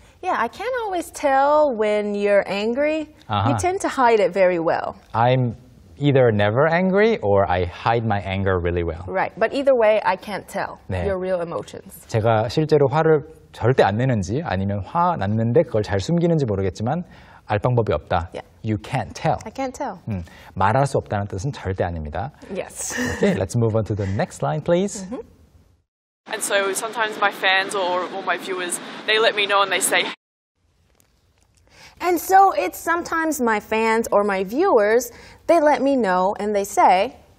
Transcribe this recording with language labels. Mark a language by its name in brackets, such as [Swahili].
[English] Yeah, I can't always tell when you're angry. Uh-huh. You tend to hide it very well. I'm... Either never angry or I hide my anger really well. Right, but either way, I can't tell 네. your real emotions. [Korean] 제가 실제로 화를 절대 안 내는지 아니면 화 났는데 그걸 잘 숨기는지 모르겠지만 알 방법이 없다. [English] Yeah. You can't tell. I can't tell. [Korean] 말할 수 없다는 뜻은 절대 아닙니다. [English] Yes. Okay, let's move on to the next line, please. Mm-hmm. And so sometimes my fans or my viewers, they let me know and they say... And so it's sometimes my fans or my viewers, they let me know and they say.